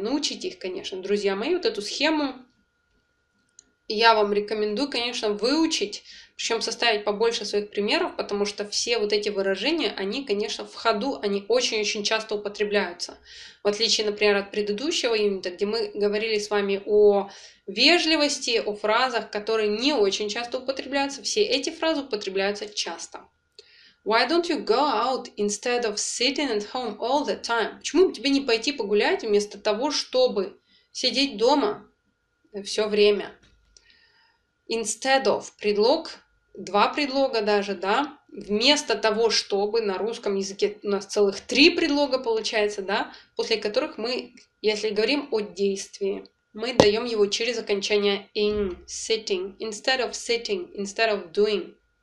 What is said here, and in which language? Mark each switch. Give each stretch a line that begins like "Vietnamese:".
Russian: Научите их, конечно, друзья мои, вот эту схему. Я вам рекомендую, конечно, выучить, причем составить побольше своих примеров, потому что все вот эти выражения, они, конечно, в ходу, они очень-очень часто употребляются. В отличие, например, от предыдущего юнита, где мы говорили с вами о вежливости, о фразах, которые не очень часто употребляются, все эти фразы употребляются часто.
English: Why don't you go out instead of sitting at home all the time?
Russian: Почему бы тебе не пойти погулять вместо того, чтобы сидеть дома все время? Instead of, предлог, два предлога даже, да, вместо того, чтобы на русском языке у нас целых три предлога получается, да, после которых мы, если говорим о действии, мы даем его через окончание in, sitting,
English: instead of doing.